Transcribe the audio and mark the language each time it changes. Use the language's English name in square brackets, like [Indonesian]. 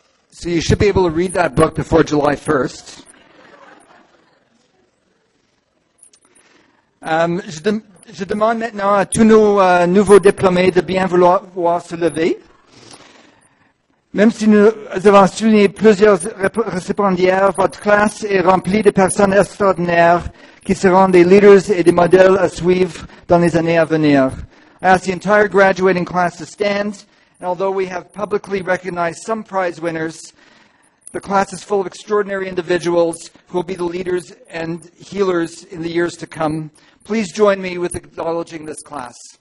[English] So you should be able to read that book before July 1st. [French] Je demande maintenant à tous nos nouveaux diplômés de bien vouloir se lever. Même si nous avons souligné plusieurs récipiendaires, votre classe est remplie de personnes extraordinaires qui seront des leaders et des modèles à suivre dans les années à venir. [English] I ask the entire graduating class to stand, and although we have publicly recognized some prize winners, the class is full of extraordinary individuals who will be the leaders and healers in the years to come. Please join me with acknowledging this class.